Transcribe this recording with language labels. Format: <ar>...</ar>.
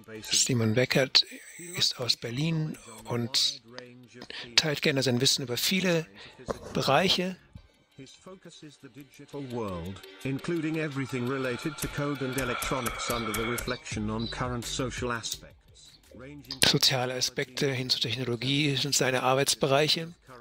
<de>Simon Weckert ist aus Berlin und teilt gerne sein Wissen über viele Bereiche.</de> <en>His focus is the digital world, including everything related to code and electronics under the reflection on current social aspects.</en> <de>Soziale Aspekte hin zur Technologie sind seine Arbeitsbereiche.</de>